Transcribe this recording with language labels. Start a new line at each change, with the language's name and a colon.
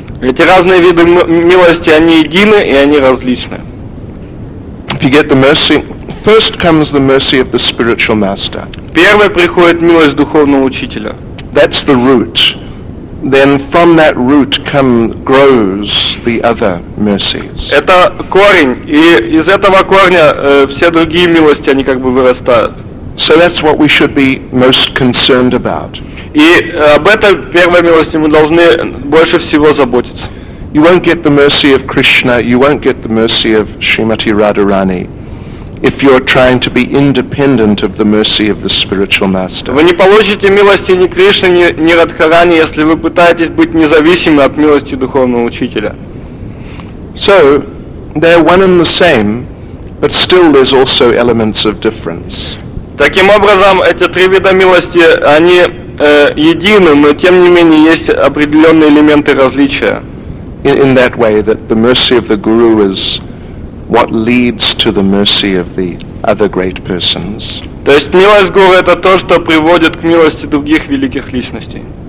Russian: Эти разные виды милости, они едины и они различны.
English: If you get the mercy, first comes the mercy of the spiritual master.
Russian: Первое приходит милость духовного учителя.
English: That's the root. Then from that root grows the other mercies.
Russian: Это корень, и из этого корня все другие милости, они как бы вырастают.
English: So that's what we should be most concerned about.
Russian: И об этой первой милости мы должны больше всего заботиться.
English: You won't get the mercy of Krishna, you won't get the mercy of Srimati Radharani if you're trying to be independent of the mercy of the spiritual master.
Russian: Вы не получите милости ни Кришны, ни Радхарани, если вы пытаетесь быть независимы от милости духовного учителя.
English: So, they're one and the same, but still there's also elements of difference.
Russian: Таким образом, эти три вида милости, они едины, но тем не менее есть определенные элементы различия.
English: In that way, that the mercy of the Guru is what leads to the mercy of the other great persons.
Russian: То есть милость Гуру — это то, что приводит к милости других великих личностей.